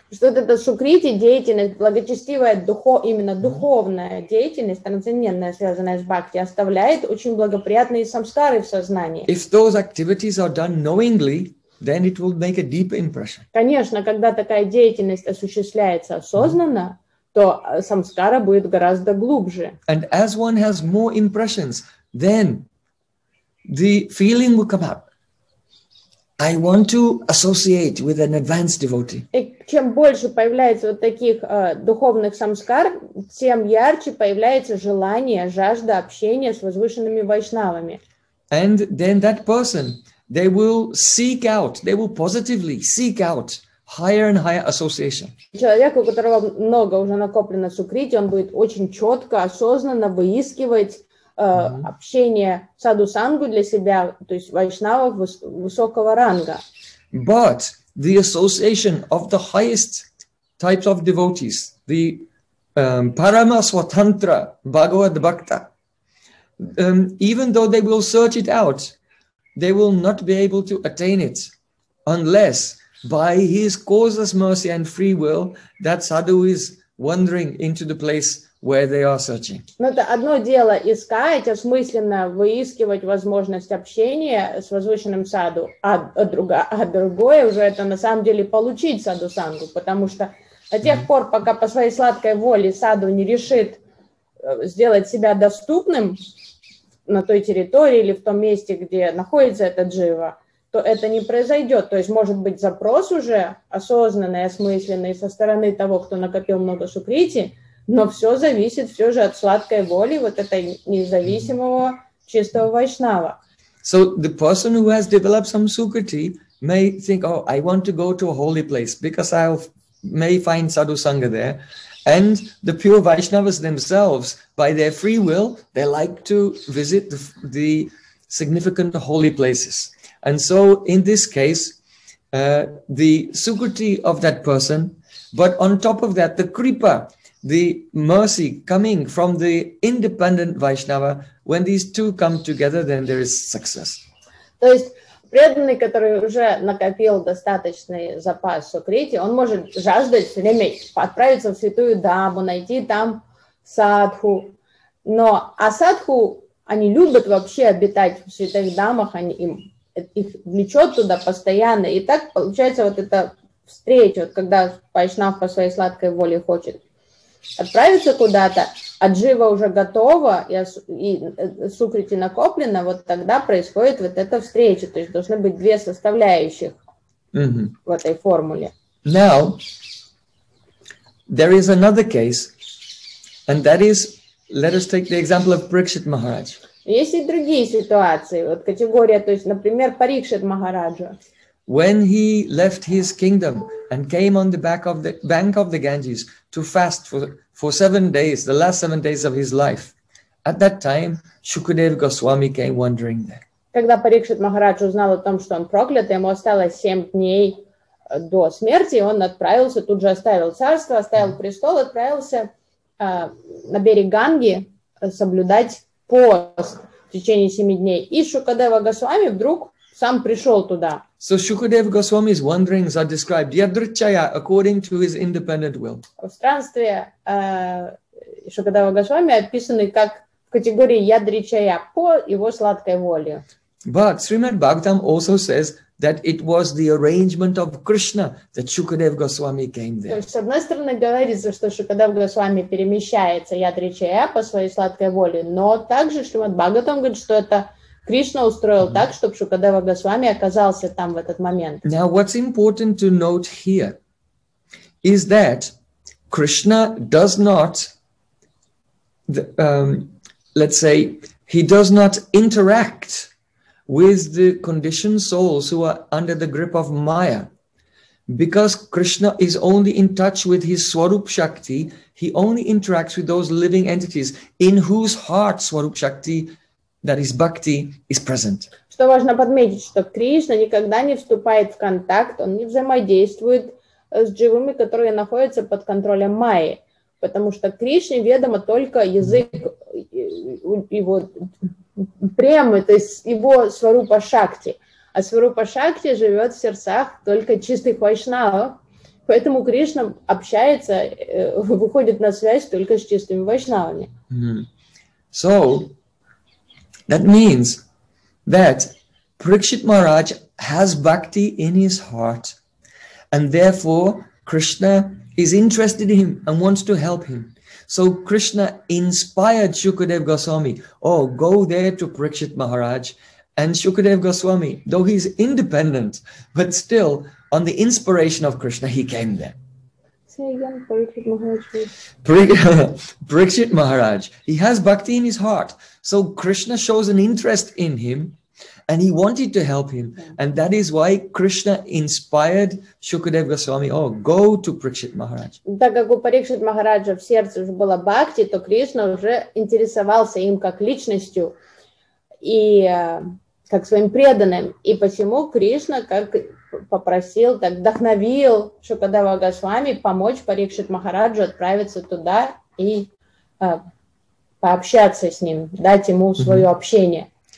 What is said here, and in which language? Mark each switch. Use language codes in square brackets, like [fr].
[ru] Что это сукрити, деятельность, благочестивая, именно духовная деятельность, трансцендентная, связанная с бхакти, оставляет очень благоприятные самскары в сознании. [en] If those activities are done knowingly, then it will make a deep impression. [ru] Конечно, когда такая деятельность осуществляется осознанно, то самскара будет гораздо глубже. [en] And as one has more impressions, then the feeling will come up. I want to associate with an advanced devotee. [ru] И чем больше появляется вот таких духовных самскар, тем ярче появляется желание, жажда общения с возвышенными вайшнавами. [en] And then that person, they will seek out, they will positively seek out higher and higher association. [ru] Человек, у которого много уже накоплено сукрити, он будет очень четко, осознанно выискивать общение саду-сангу для себя, то есть вайшнавов высокого ранга. [en] But the association of the highest types of devotees, the Paramaswatantra Bhagavad Bhakta, even though they will search it out, they will not be able to attain it unless by his causeless mercy and free will that sadhu is wandering into the place where they are searching. [ru] Но это одно дело искать, осмысленно выискивать возможность общения с возвышенным саду, а другое уже это на самом деле получить саду-сангу, потому что до тех пор, пока по своей сладкой воле саду не решит сделать себя доступным на той территории или в том месте, где находится эта джива, то это не произойдет. То есть может быть запрос уже осознанный, осмысленный со стороны того, кто накопил много сукрити, но все зависит все же от сладкой воли вот этой независимого чистого вайшнава. [en] So the person who has developed some sukriti may think, oh, I want to go to a holy place because I may find sadhu sangha there. And the pure Vaishnavas themselves, by their free will, they like to visit the significant holy places. And so in this case, the sukriti of that person, but on top of that, the kripa, the mercy coming from the independent Vaishnava, when these two come together, then there is success. [ru] Преданный, который уже накопил достаточный запас сукрити, он может жаждать все время отправиться в святую даму, найти там садху. Но а садху, они любят вообще обитать в святых дамах, они их влечет туда постоянно. И так получается вот эта встреча, вот когда вайшнав по своей сладкой воле хочет отправиться куда-то, а джива уже готова, и сукрити накоплено, вот тогда происходит вот эта встреча. То есть должны быть две составляющих в этой формуле. [en] Now, there is another case, and that is, let us take the example of Parikshit Maharaj. [ru] Есть и другие ситуации, вот категория, то есть, например, Парикшит Махараджа. [en] When he left his kingdom and came on the bank of the Ganges to fast for 7 days, the last 7 days of his life, at that time Shukadev Goswami came wandering there. [ru] Когда Парикшит Махарадж узнал о том, что он проклят, ему осталось 7 дней до смерти, он отправился, тут же оставил царство, оставил престол, отправился на берег Ганги соблюдать пост в течение 7 дней. И Шукадева Госвами вдруг сам пришел туда. [en] So Shukadev Goswami's wanderings are described yadrchaya according to his independent will. [ru] В странстве Шукадева Госвами описаны как в категории ядричая по его сладкой воле. [en] But Srimad Bhagavatam also says that it was the arrangement of Krishna that Shukadev Goswami came there. [ru] С одной стороны говорится, что Шукадев Госвами перемещается ядричая по своей сладкой воле, но также Шримад Бхагаватам говорит, что это Кришна устроил так, чтобы Шукадева Госвами оказался там в этот момент. [en] Now, what's important to note here is that Krishna does not, let's say, he does not interact with the conditioned souls who are under the grip of Maya. Because Krishna is only in touch with his Swarup Shakti, he only interacts with those living entities in whose heart Swarup Shakti, that is bhakti, is present. [ru] Что важно подметить, что Кришна никогда не вступает в контакт, он не взаимодействует с дживами, которые находятся под контролем Майи, потому что Кришне ведомо только язык его премы, то есть его Сварупа Шакти. А Сварупа Шакти живет в сердцах только чистых вайшнава, поэтому Кришна общается, выходит на связь только с чистыми вайшнавами. [en] So, that means that Parikshit Maharaj has bhakti in his heart, and therefore Krishna is interested in him and wants to help him. So Krishna inspired Shukadev Goswami, oh, go there to Parikshit Maharaj. And Shukadev Goswami, though he's independent, but still, on the inspiration of Krishna, he came there. Parikshit Maharaj, he has bhakti in his heart. So Krishna shows an interest in him and he wanted to help him. And that is why Krishna inspired Shukadev Goswami, oh, go to Parikshit Maharaj. [ru] Так как у Парикшит Махараджа в сердце уже было бхакти, то Кришна уже интересовался им как личностью и как своим преданным. И почему Кришна как попросил, так вдохновил Шукадева Госвами помочь Парикшит Махараджу отправиться туда и пообщаться с ним, дать ему свое общение.